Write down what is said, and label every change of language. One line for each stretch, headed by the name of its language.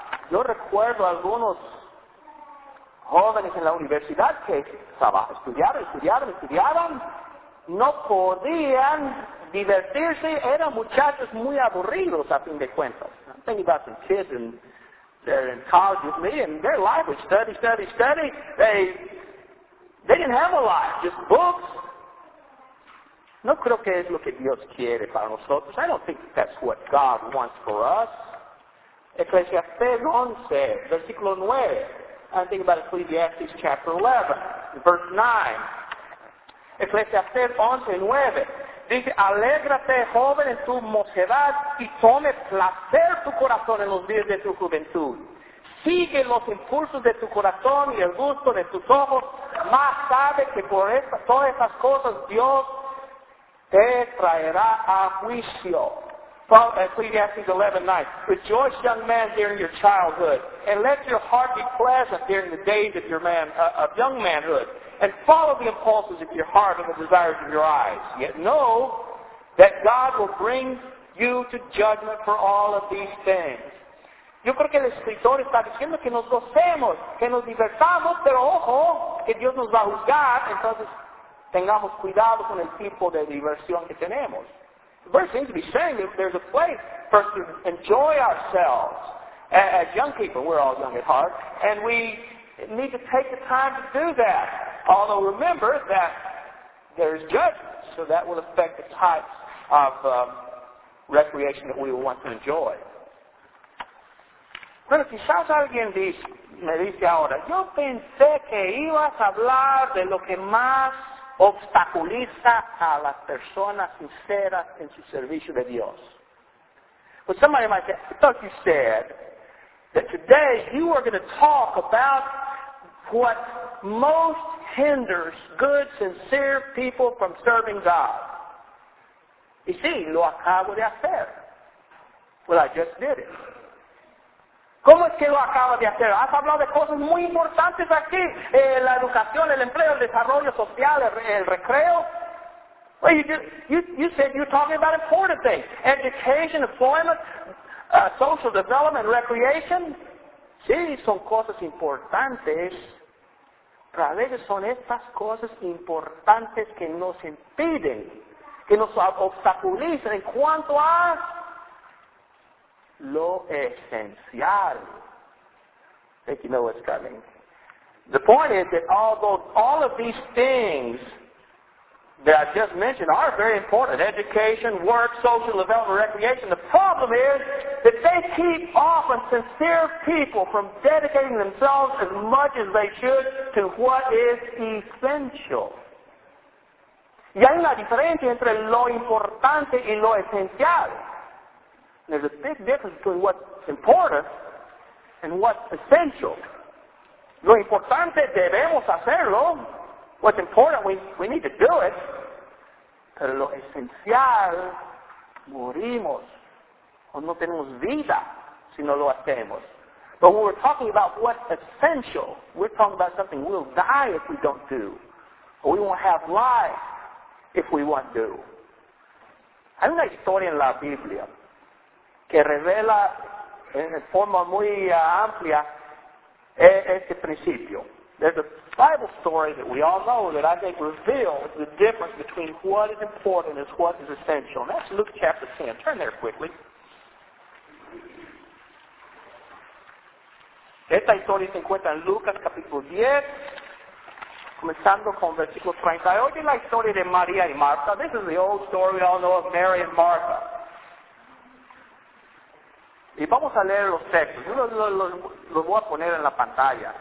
Spanish: Yo recuerdo algunos jóvenes en la universidad que estudiaron. No podían divertirse. Eran muchachos muy aburridos, a fin de cuentas.
English: I'm thinking about some kids and they're in college with me, and their life was study. They didn't have a life, just books.
Spanish: No creo que es lo que Dios quiere para nosotros.
English: I don't think that's what God wants for us. Ecclesiastes 11,
Spanish: versículo 9.
English: I'm thinking about Ecclesiastes chapter 11, verse 9. Ecclesiastes 11, 9.
Spanish: Dice, alégrate, joven, en tu mocedad, y tome placer tu corazón en los días de tu juventud. Sigue los impulsos de tu corazón y el gusto de tus ojos, más sabe que por todas esas cosas Dios te traerá a juicio.
English: Ecclesiastes 11, 9. Rejoice, young man, during your childhood, and let your heart be pleasant during the days of your young manhood. And follow the impulses of your heart and the desires of your eyes. Yet know that God will bring you to judgment for all of these things.
Spanish: Yo creo que el escritor está diciendo que nos gocemos, que nos divertamos, pero ojo, que Dios nos va a juzgar. Entonces, tengamos cuidado con el tipo de diversión que tenemos.
English: The verse seems to be saying that there's a place for us to enjoy ourselves. As young people, we're all young at heart, and we need to take the time to do that. Although remember that there is judgment, so that will affect the types of recreation that we will want to enjoy.
Spanish: Bueno, quizás alguien me dice ahora, yo pensé que ibas a hablar de lo que más obstaculiza a las personas sinceras en su servicio de Dios.
English: But somebody might say, I thought you said that today you are going to talk about what most hinders good, sincere people from serving God.
Spanish: Y sí, lo acabo de hacer.
English: Well, I just did it.
Spanish: ¿Cómo es que lo acabo de hacer? Has hablado de cosas muy importantes aquí. La educación, el empleo, el desarrollo social, el recreo.
English: Well, you said you're talking about important things. Education, employment, social development, recreation.
Spanish: Sí, son cosas importantes. Pero a veces son estas cosas importantes que nos impiden, que nos obstaculizan en cuanto a lo esencial.
English: I think you know what's coming. The point is that although all of these things that I just mentioned are very important, education, work, social development, recreation, the problem is that they keep often sincere people from dedicating themselves as much as they should to what is essential.
Spanish: Y hay una diferencia entre lo importante y lo esencial.
English: There's a big difference between what's important and what's essential.
Spanish: Lo importante debemos hacerlo.
English: What's important, we need to do it.
Spanish: Pero lo esencial, morimos. O no tenemos vida si no lo hacemos.
English: But when we're talking about what's essential, we're talking about something we'll die if we don't do. Or we won't have life if we won't do.
Spanish: Hay una historia en la Biblia que revela en forma muy amplia este principio.
English: There's a Bible story that we all know that I think reveals the difference between what is important and what is essential. And that's Luke chapter 10. Turn there quickly.
Spanish: Esta historia se encuentra en Lucas capítulo 10, comenzando con versículo 30. Hoy es la historia de María y Marta.
English: This is the old story we all know of Mary and Martha.
Spanish: Y vamos a leer los textos. Yo los voy a poner en la pantalla.